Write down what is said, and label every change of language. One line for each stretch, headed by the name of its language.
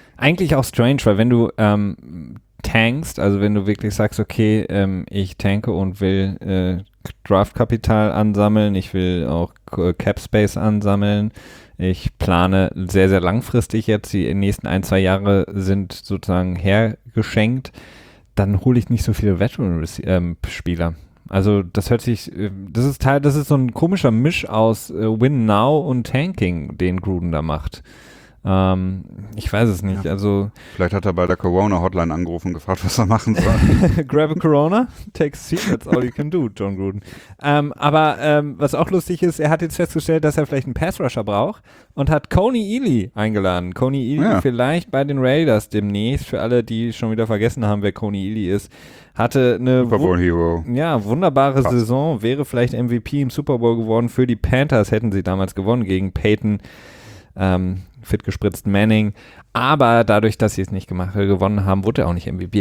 German: eigentlich auch strange, weil wenn du tankst, also wenn du wirklich sagst, okay, ich tanke und will Draftkapital ansammeln, ich will auch Capspace ansammeln, ich plane sehr, sehr langfristig jetzt, die nächsten ein, zwei Jahre sind sozusagen hergeschenkt, dann hole ich nicht so viele Veteran-Spieler. Also das hört sich, das ist so ein komischer Misch aus Win Now und Tanking, den Gruden da macht. Ich weiß es nicht. Ja. Also vielleicht hat er bei der Corona-Hotline angerufen und gefragt, was er machen soll.
English: Grab a Corona, take a seat, that's all you can do, John Gruden.
German: Aber was auch lustig ist, er hat jetzt festgestellt, dass er vielleicht einen Pass-Rusher braucht und hat Coney Ealy eingeladen. Coney Ealy, ja. Vielleicht bei den Raiders demnächst, für alle, die schon wieder vergessen haben, wer Coney Ealy ist, hatte eine Super Bowl Hero. Ja, wunderbare Krass. Saison, wäre vielleicht MVP im Super Bowl geworden. Für die Panthers hätten sie damals gewonnen gegen Peyton, fit gespritzt Manning, aber dadurch, dass sie es nicht gewonnen haben, wurde er auch nicht MVP.